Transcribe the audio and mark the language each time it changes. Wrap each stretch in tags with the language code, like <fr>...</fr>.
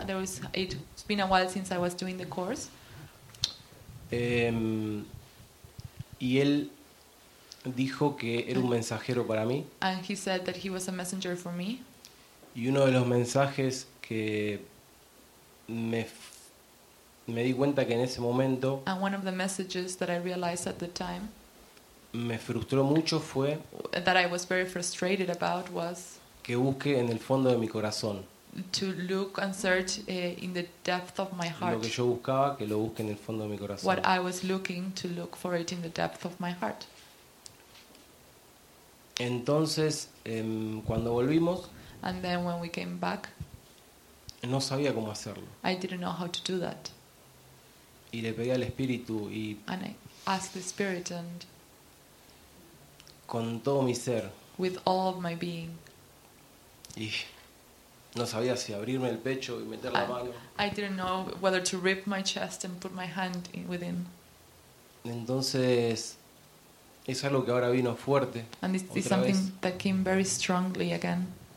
<en>There was it's been a while since I was doing the course.</en> <es>Y él dijo que era un mensajero para mí.</es> <en>And he said that he was a messenger for me.</en> <es>Y uno de los mensajes que me di cuenta que en ese momento.</es> <en>And one of the messages that I realized at the time.</en> <es>Me frustró mucho fue.</es> <en>That I was very frustrated about was.</en> <es>Que busque en el fondo de mi corazón.</es> <en>To look and search in the depth of my heart.</en> <es>Lo que yo buscaba, que lo busque en el fondo de mi corazón.</es> <en>What I was looking to look for it in the depth of my heart.</en> <es>Entonces, cuando volvimos.</es> <en>And then when we came back.</en> <es>No sabía cómo hacerlo.</es> <en>I didn't know how to do that.</en> <es>Y le pedí al Espíritu y.</es> <en>And I asked the Spirit and.</en> <es>Con todo mi ser.</es> <en>With all of my being.</en> <es>Y no sabía si abrirme el pecho y meter la mano.</es> <en>I didn't know whether to rip my chest and put my hand in within.</en> <es>Entonces es algo que ahora vino fuerte.</es> <en>And this is something that came very strongly again.</en>